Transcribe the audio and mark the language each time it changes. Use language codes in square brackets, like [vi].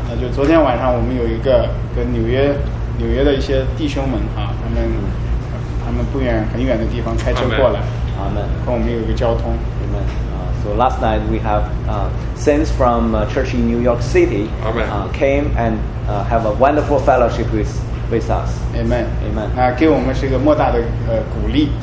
[zh] 那就昨天晚上我们有一个跟纽约的一些弟兄们啊，他们。他们不远很远的地方开车过来，跟我们有一个交通。 [en] Amen. So last night we have saints from church in New York City came and have a wonderful fellowship with us. Amen. Amen. [zh] 那给我们是一个莫大的鼓励。